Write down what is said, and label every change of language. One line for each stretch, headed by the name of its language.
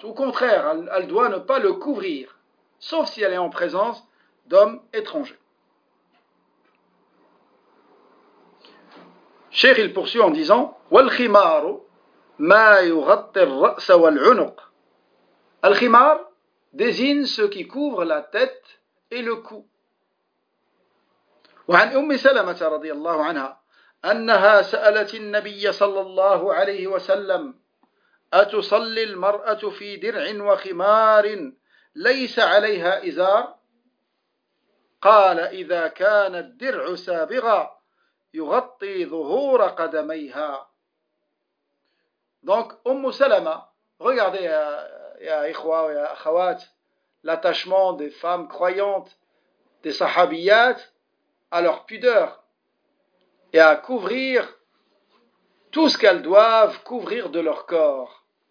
French: Au contraire, elle doit ne pas le couvrir, sauf si elle est en présence d'hommes étrangers. Cher, il poursuit en disant « Wal-khimaru »
Arabic: ما يغطي الرأس والعنق.
French: الخمار désigne ce qui couvre la tête et le cou.
Arabic: وعن أم سلمة رضي الله عنها أنها سألت النبي صلى الله عليه وسلم أتصلي المرأة في درع وخمار ليس عليها إزار؟ قال إذا كان الدرع سابغا يغطي ظهور قدميها.
French: Donc, Ummu Salama, regardez,
Arabic: ya Ikhwa, ya Akhawat,
French: l'attachement des femmes croyantes, des Sahabiyat, à leur pudeur et à couvrir tout ce qu'elles doivent couvrir de leur corps.